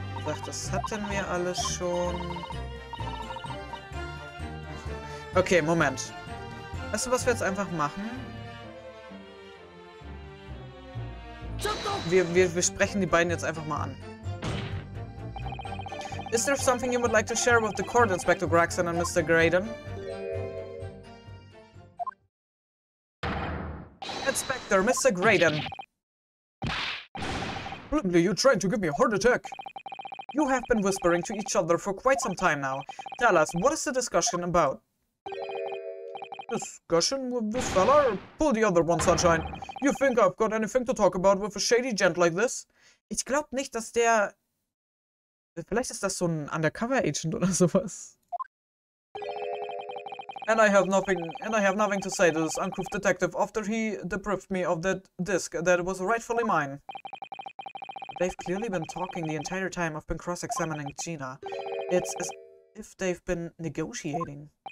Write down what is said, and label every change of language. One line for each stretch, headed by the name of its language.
German: Ach, das hatten wir alles schon. Okay, Moment. Weißt du, was wir jetzt einfach machen? Wir sprechen die beiden jetzt einfach mal an.
English: Is there something you would like to share with the court, Inspector Gregson and Mr. Graydon? Inspector, Mr. Graydon. Probably you're trying to give me a heart attack. You have been whispering to each other for quite some time now. Tell us, what is the discussion about? Discussion with this fella? Pull the other one, Sunshine. You think I've got anything to talk about with a shady gent like this?
German: Ich glaub nicht, dass der... Vielleicht ist das so ein Undercover-Agent oder sowas.
English: And I have nothing to say to this uncouth detective after he deprived me of that disc that was rightfully mine. They've clearly been talking the entire time I've been cross-examining Gina. It's as if they've been negotiating.